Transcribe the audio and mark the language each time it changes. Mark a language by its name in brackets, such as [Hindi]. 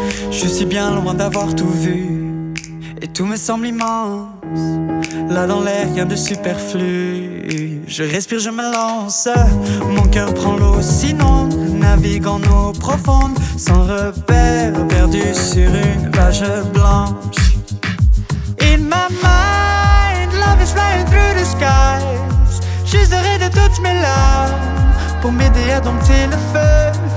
[French] Je suis bien loin d'avoir tout vu, et tout me semble immense. Là dans l'air, rien de superflu. Je respire, je me lance. Mon cœur prend l'eau, sinon navigue en eau profonde, sans repère, perdu sur une page blanche. [English] In my mind, love is flying through the skies. [French] J'userai de toutes mes larmes pour m'aider à dompter le feu.